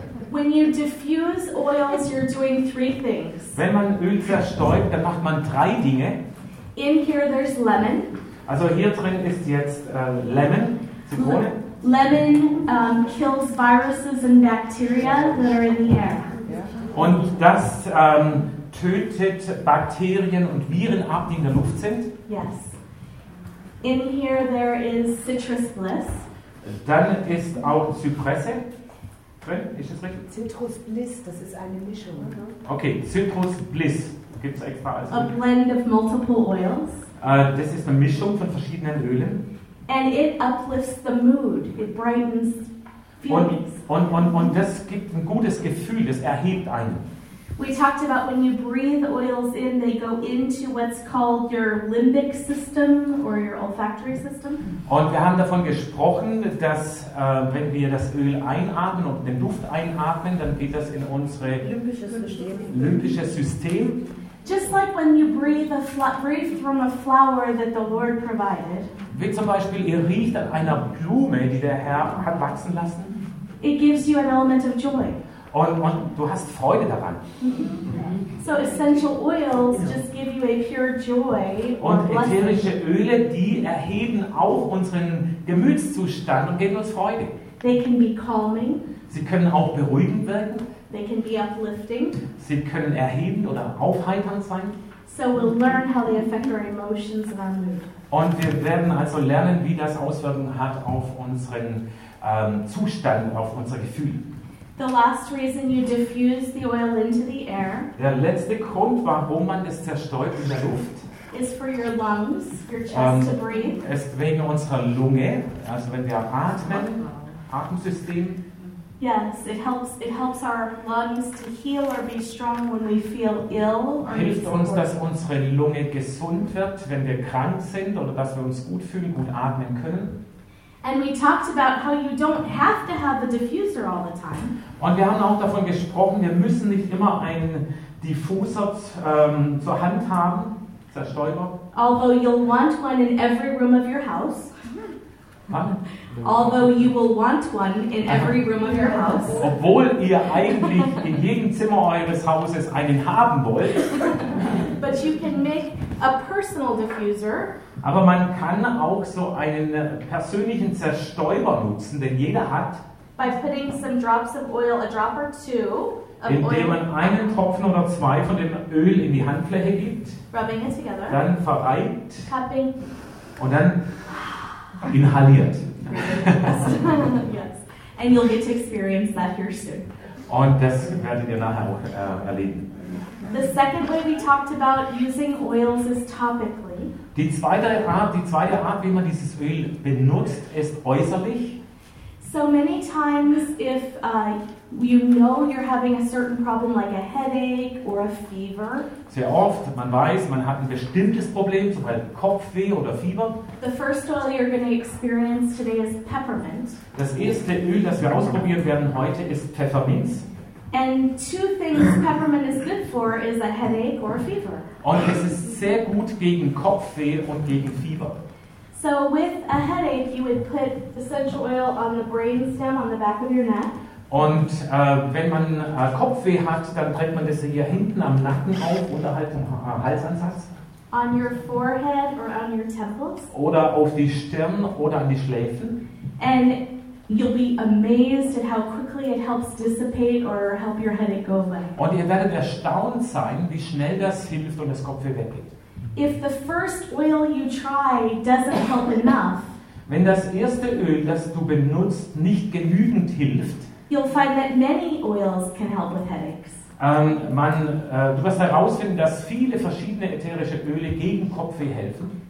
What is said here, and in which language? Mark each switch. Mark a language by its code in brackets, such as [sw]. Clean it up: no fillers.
[en] When you diffuse oils, you're doing three things. [de] Wenn man Öl zerstäubt, dann macht man drei Dinge. [en] In here there's lemon. [de] Also hier drin ist jetzt Lemon, Zitrone. [en] Lemon kills viruses and bacteria that are in the air. [de] Und das tötet Bakterien und Viren ab, die in der Luft sind. [en] Yes. In here there is citrus bliss. [de] Dann ist auch Zypresse drin. Ist das richtig? Citrus bliss, das ist eine Mischung, oder? Okay, Citrus bliss gibt's extra als [en] a blend of multiple oils. [de] Das ist eine Mischung von verschiedenen Ölen. [en] And it uplifts the mood. It brightens feelings. [de] Und das gibt ein gutes Gefühl. Das erhebt einen. [en] We talked about when you breathe oils in, they go into what's called your limbic system or your olfactory system. [de] Und wir haben davon gesprochen, dass wenn wir das Öl einatmen und den Duft einatmen, dann geht das in unsere limbisches System. [en] Just like when you breathe from a flower that the Lord provided. [de] Wie zum Beispiel, ihr riecht an einer Blume, die der Herr hat wachsen lassen. [en] It gives you an element of joy. [de] Und du hast Freude daran. [en] So essential oils just give you a pure joy. [de] Und ätherische Öle, die erheben auch unseren Gemütszustand und geben uns Freude. [en] They can be calming. [de] Sie können auch beruhigend wirken. [en] They can be uplifting. [de] Sie können erhebend oder aufheiternd sein. [en] So we'll learn how they affect our emotions and our mood. [de] Und wir werden also lernen, wie das Auswirkungen hat auf unseren Zustand, auf unser Gefühl. [en] The last reason you diffuse the oil into the air. [de] Der letzte Grund, warum man es zerstäubt in der Luft. [en] Is for your lungs, your chest to breathe. [de] Ist wegen unserer Lunge, also wenn wir atmen, Atemsystem. [en] Yes, it helps our lungs to heal or be strong when we feel ill. [de] Hilft uns, dass unsere Lunge gesund wird, wenn wir krank sind oder dass wir uns gut fühlen, gut atmen können. [en] And we talked about how you don't have to have a diffuser all the time. [de] Und wir haben auch davon gesprochen, wir müssen nicht immer einen Diffuser zur Hand haben, Zerstäuber. [en] Although you'll want one in every room of your house. Although you will want one in every room of your house. [de] Obwohl ihr eigentlich in jedem Zimmer eures Hauses einen haben wollt. [en] But you can make a personal diffuser. [de] Aber man kann auch so einen persönlichen Zerstäuber nutzen, den jeder hat. [en] By putting some drops of oil, a drop or two of oil. [de] Indem man einen Tropfen oder zwei von dem Öl in die Handfläche gibt. [en] Rubbing it together. [de] Dann verreibt. [en] Cupping. [de] Und dann inhaliert. [en] Yes. And you'll get to experience that here soon. [de] Und das werdet ihr nachher auch erleben. [en] The second way we talked about using oils is topically. [de] Die zweite Art, wie man dieses Öl benutzt, ist äußerlich. [en] So many times if you know you're having a certain problem like a headache or a fever. [de] Sehr oft, man weiß, man hat ein bestimmtes Problem, zum Beispiel Kopfweh oder Fieber. [en] The first oil you're going to experience today is peppermint. [de] Das erste Öl, das wir ausprobieren werden heute, ist Pfefferminz. [en] And two things peppermint is good for is a headache or a fever. [de] Und es ist sehr gut gegen Kopfweh und gegen Fieber. [en] So with a headache, you would put essential oil on the brain stem on the back of your neck. [de] Und wenn man Kopfweh hat, dann trägt man das hier hinten am Nacken auf, unterhalb vom Halsansatz. [en] On your forehead or on your temples. [de] Oder auf die Stirn oder an die Schläfen. [en] And you'll be amazed at how quickly it helps dissipate or help your headache go away. [de] Und ihr werdet erstaunt sein, wie schnell das hilft und das Kopfweh weggeht. [en] If the first oil you try doesn't help enough, [de] wenn das erste Öl, das du benutzt, nicht genügend hilft, [en] you'll find that many oils can help with headaches. [de] Du wirst herausfinden, dass viele verschiedene ätherische Öle gegen Kopfweh helfen.